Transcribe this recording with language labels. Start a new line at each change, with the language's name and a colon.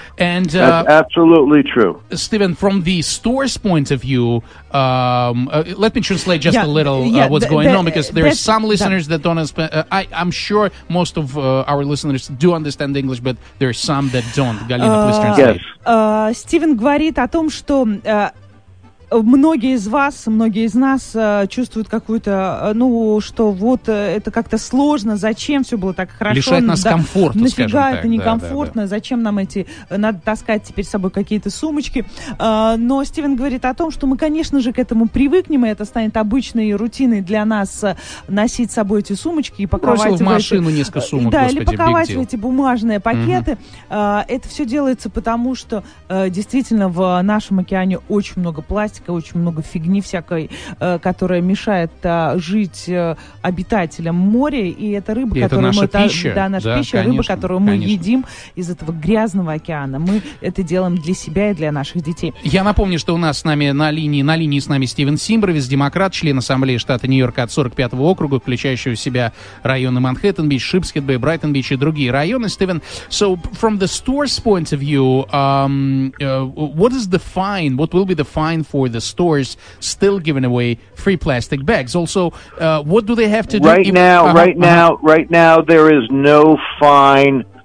English: And that's absolutely true. Stephen, from the store's point of view, let me translate just a little what's going on, because there are some listeners that don't understand. I'm sure most of our listeners do understand English, but there are some that don't. Галина, please translate. Yes.
Russian: Стивен говорит о том, что многие из вас, многие из нас чувствуют какую-то, что вот это как-то сложно, зачем все было так хорошо. Лишает нас комфорта, скажем так. Нафига это некомфортно, зачем нам эти, надо таскать теперь с собой какие-то сумочки. Но Стивен говорит о том, что мы, конечно же, к этому привыкнем, и это станет обычной рутиной для нас носить с собой эти сумочки и паковать. Бросил в машину несколько сумок, да, или паковать эти бумажные пакеты. Это все делается потому, что действительно в нашем океане очень много пластика, очень много фигни всякой, которая мешает жить обитателям моря, и это рыба, и которую это мы... Это наша пища, конечно, рыба, которую мы едим из этого грязного океана. Мы это делаем для себя и для наших детей. Я напомню, что у нас с нами на линии с нами Стивен Симбровис, демократ, член Ассамблеи штата Нью-Йорка от 45-го округа, включающий в себя районы Манхэттен-Бич, Шипсхед-Бэй, Брайтон-Бич и другие районы.
English: Стивен, so from the store's point of view, what is the fine, what will be the fine for for the stores still giving away free plastic bags. Also, what do they have to do? Right now, there is no fine.